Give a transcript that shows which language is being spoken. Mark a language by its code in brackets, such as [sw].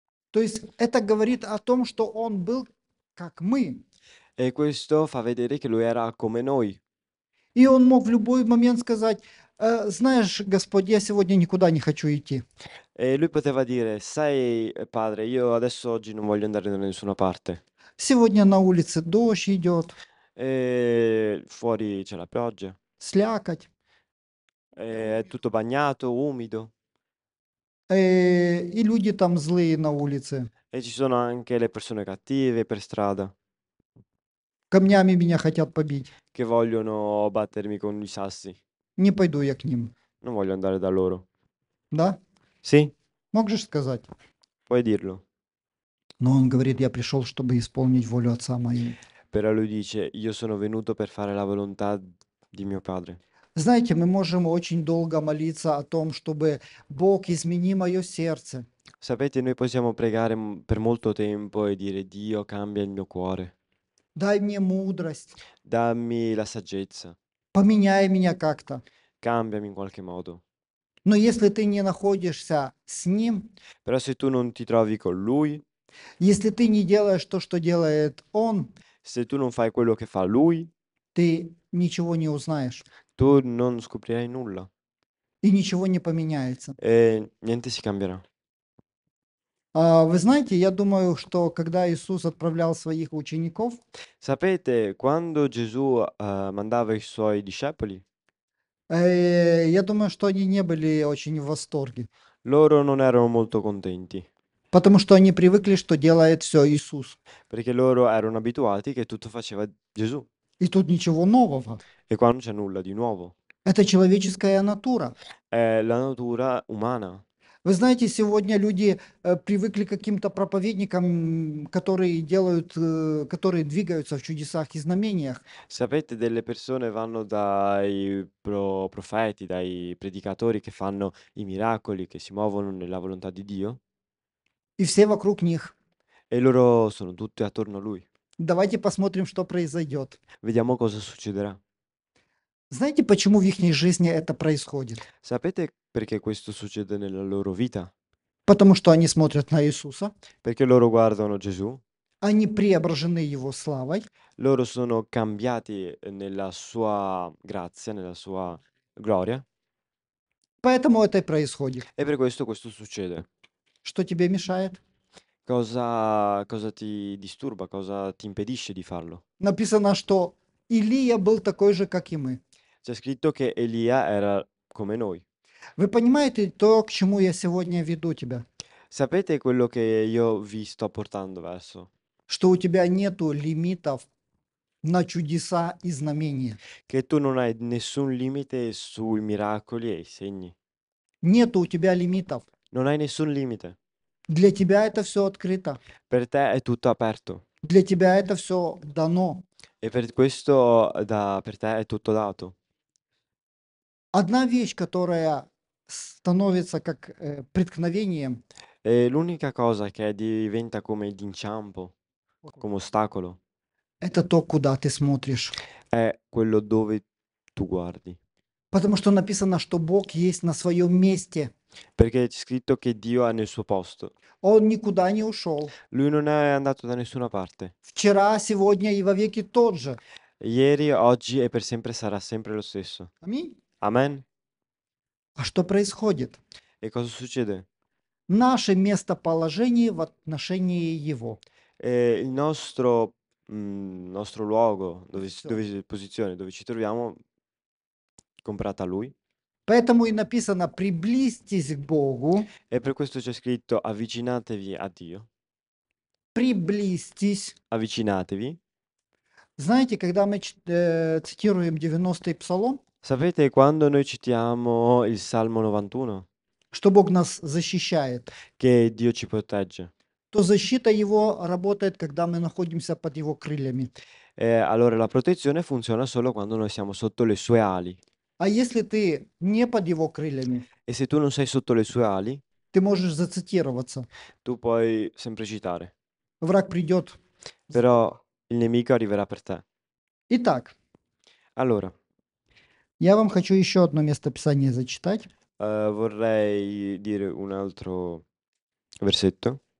[ru] То есть это говорит о том, что он был как мы. [it] E questo fa vedere che lui era come noi. [ru] И он мог в любой момент сказать, знаешь, Господь, я сегодня никуда не хочу идти. [it] E lui poteva dire, sai, padre, io adesso oggi non voglio andare da nessuna parte. [ru] Сегодня на улице дождь идет. [it] E fuori c'è la pioggia. [ru] Слякоть. [it] E è tutto bagnato, umido. [ru] И люди там злые на улице. [it] E ci sono anche le persone cattive per strada. [ru] Камнями меня хотят побить. [it] Che vogliono battermi con i sassi. [ru] Не пойду я к ним. [it] Non voglio andare da loro. [ru] Да? [it] Sì. [ru] Мог же сказать. [it] Puoi dirlo. [ru] Но он говорит, я пришел, чтобы исполнить волю отца моей. [it] Però lui dice, io sono venuto per fare la volontà di mio padre. [ru] Знаете, мы можем очень долго молиться о том, чтобы Бог измени мое сердце. [it] Sapete, noi possiamo pregare per molto tempo e dire, Dio cambia il mio cuore. [ru] Дай мне мудрость. [it] Dammi la saggezza. [ru] Поменяй меня как-то. [it] Cambiami in qualche modo. [ru] Но если ты не находишься с ним, [it] però se tu non ti trovi con lui, [ru] если ты не делаешь то, что делает он, [it] se tu non fai quello che fa lui, [ru] ты ничего не узнаешь. [it] Tu non scoprirai nulla. [ru] И ничего не поменяется. [it] E niente si cambierà. [ru] Вы знаете, я думаю, что когда Иисус отправлял своих учеников, [it] sapete, quando Gesù mandava i suoi discepoli, [ru] я думаю, что они не были очень в восторге. [it] Loro non erano molto contenti. [ru] Потому что они привыкли, что делает все Иисус. [it] Perché loro erano abituati che tutto faceva Gesù. [ru] И тут ничего нового. [it] E qua non c'è nulla di nuovo. [ru] Это человеческая натура. [it] È la natura umana. [ru] Вы знаете, сегодня люди привыкли к каким-то проповедникам, которые делают, которые двигаются в чудесах и знамениях. [it] Sapete, delle persone vanno dai profeti, dai predicatori che fanno i miracoli, che si muovono nella volontà di Dio. [ru] И все вокруг них. [it] E loro sono tutti attorno a lui. [ru] Давайте посмотрим, что произойдет. [it] Vediamo cosa succederà. [ru] Знаете, почему в их жизни это происходит? [it] Sapete perché questo succede nella loro vita? [ru] Потому что они смотрят на Иисуса. [it] Perché loro guardano Gesù. [ru] Они преображены Его славой. [it] Loro sono cambiati nella sua grazia, nella sua gloria. [ru] Поэтому это и происходит. [it] E per questo questo succede. [ru] Что тебе мешает? [it] Cosa ti disturba, cosa ti impedisce di farlo? [ru] Написано, что Илия был такой же, как и мы. [it] C'è scritto che Elia era come noi. [ru] Вы понимаете то, к чему я сегодня веду тебя? [it] Sapete quello che io vi sto portando verso? [ru] Что у тебя нету лимитов на чудеса и знамения. [it] Che tu non hai nessun limite sui miracoli e i segni. [ru] Нету у тебя лимитов. [it] Non hai nessun limite. [ru] Для тебя это все открыто. [it] Per te è tutto aperto. [ru] Для тебя это все дано. [it] E per questo per te è tutto dato. [ru] Одна вещь, которая становится как преткновением. [it] E l'unica cosa che diventa come l'inciampo, come ostacolo, [ru] Это то, куда ты смотришь. [it] è quello dove tu guardi. [ru] Потому что написано, что Бог есть на своем месте. [it] Perché c'è scritto che Dio è nel suo posto. [ru] Он никуда не ушел. [it] Lui non è andato da nessuna parte. [ru] Вчера, сегодня и вовеки тот же. [it] Ieri, oggi e per sempre sarà sempre lo stesso. [ru] Аминь. [it] Amen. [ru] А что происходит? [it] E cosa succede? [ru] Наше местоположение в отношении Его. [it] E il nostro luogo, [ru] Все. [it] dove posizione, dove ci troviamo, comprata a lui. [ru] Поэтому и написано «приблизьтесь к Богу». [it] E per questo c'è scritto avvicinatevi a Dio. [ru] Приблизьтесь. [it] Avvicinatevi. [ru] Знаете, когда мы цитируем 90-й псалом, [it] Sapete quando noi citiamo il Salmo 91? [ru] что Бог нас защищает, [it] Che Dio ci protegge. [ru] то защита Его работает, когда мы находимся под Его крыльями. [it] Allora la protezione funziona solo quando noi siamo sotto le sue ali. [ru] А если ты не под Его крыльями, [it] E se tu non sei sotto le sue ali, [ru] ты можешь зацитироваться. [it] tu puoi sempre citare. [ru] Враг придет. [it] Però il nemico arriverà per te. [ru] Итак, [it] Allora, [ru] я вам хочу еще одно место Писания зачитать. [it] vorrei dire un altro versetto.